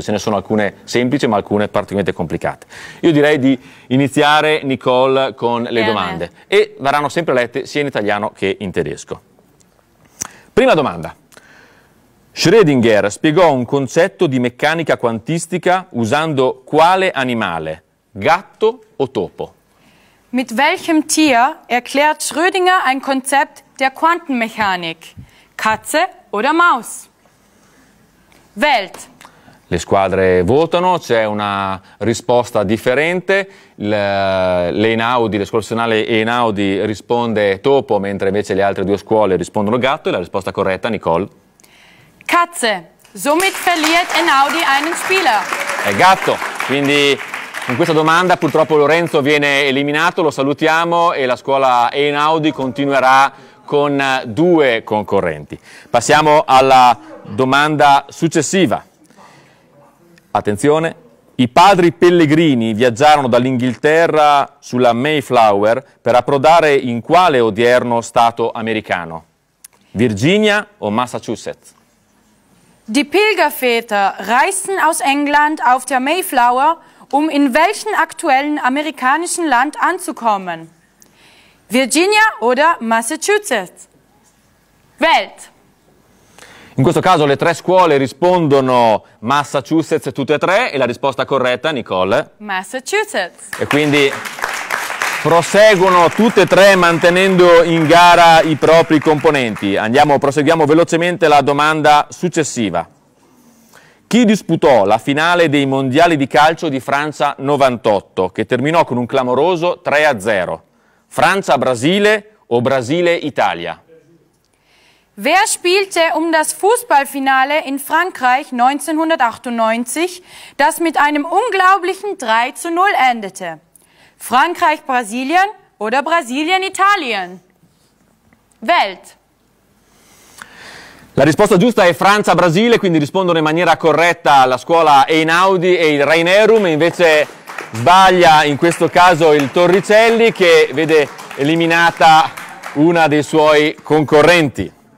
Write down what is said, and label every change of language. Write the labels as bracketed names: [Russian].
[Italian] Ce ne sono alcune semplici, ma alcune particolarmente complicate. Io direi di iniziare, Nicole, con le domande. E verranno sempre lette sia in italiano che in tedesco. Prima domanda. Schrödinger spiegò un concetto di meccanica quantistica usando quale animale? Gatto o topo? [German] Mit welchem Tier erklärt Schrödinger ein Konzept der Quantenmechanik? Katze oder Maus? Welt. [Italian] Le squadre votano, c'è una risposta differente. Le scuola nazionale Einaudi risponde topo, mentre invece le altre due scuole rispondono gatto. E la risposta corretta, Nicole? [German] Katze. Somit verliert Einaudi einen Spieler. [Italian] È gatto. Quindi con questa domanda purtroppo Lorenzo viene eliminato, lo salutiamo e la scuola Einaudi continuerà con due concorrenti. Passiamo alla domanda successiva. Attenzione. I padri pellegrini viaggiarono dall'Inghilterra sulla Mayflower per approdare in quale odierno stato americano? Virginia o Massachusetts? [German] Die Pilgerväter reisten aus England auf der Mayflower, um in welchem aktuellen amerikanischen Land anzukommen? Virginia oder Massachusetts? Welt. [Italian] In questo caso le tre scuole rispondono Massachusetts tutte e tre e la risposta corretta, Nicole? Massachusetts. E quindi proseguono tutte e tre mantenendo in gara i propri componenti. Proseguiamo velocemente la domanda successiva. Chi disputò la finale dei mondiali di calcio di Francia 98, che terminò con un clamoroso 3-0? Francia-Brasile o Brasile-Italia? [German] Wer spielte das Fußballfinale in Frankreich 1998, das mit einem unglaublichen 3-0 endete? Frankreich-Brasilien oder Brasilien-Italien? Welt. [Italian] La risposta giusta è Francia-Brasile, quindi rispondono in maniera corretta la scuola Einaudi e il Rainerum, invece sbaglia in questo caso il Torricelli, che vede eliminata una dei suoi concorrenti.